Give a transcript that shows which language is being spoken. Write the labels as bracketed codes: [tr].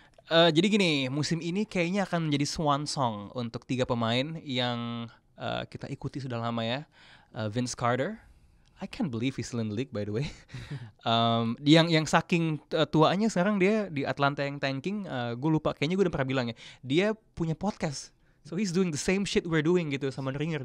[id] Jadi gini, musim ini kayaknya akan menjadi swan song untuk 3 pemain yang kita ikuti sudah lama ya. Vince Carter. [en] I can't believe he's still in the league by the way. [id] yang saking tuanya sekarang dia di Atlanta yang tanking, gue lupa, kayaknya gue udah pernah bilang ya. Dia punya podcast. [en] So he's doing the same shit we're doing [id] gitu sama [en] Ringer.